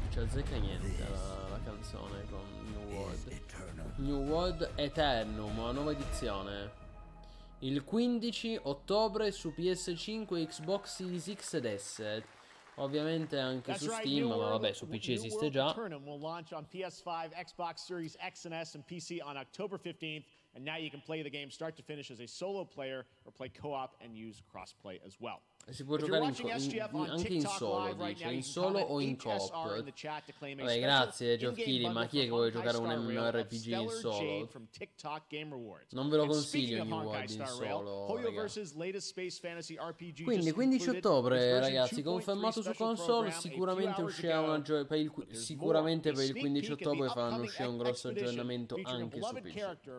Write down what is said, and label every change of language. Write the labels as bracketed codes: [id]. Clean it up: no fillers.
[it] Zecca niente la canzone con New World. New World Eternum, una nuova edizione. Il 15 ottobre su PS5, Xbox Series X ed S. Ovviamente anche su Steam, ma vabbè, su PC esiste già. [en] Eternum will launch on PS5, Xbox Series X and S and PC on October 15th. And now you can play the game start to finish as a solo player or play co-op and use crossplay as well. [it] Si può giocare anche in solo, dice, in solo o in co-op. Vabbè, grazie Giochili, ma chi è che vuole giocare un MMORPG in solo? Non ve lo consiglio New World in solo, ragazzi. Quindi 15 ottobre, ragazzi, confermato su console, sicuramente uscirà una gioia, sicuramente per il 15 ottobre faranno uscire un grosso aggiornamento anche su PC.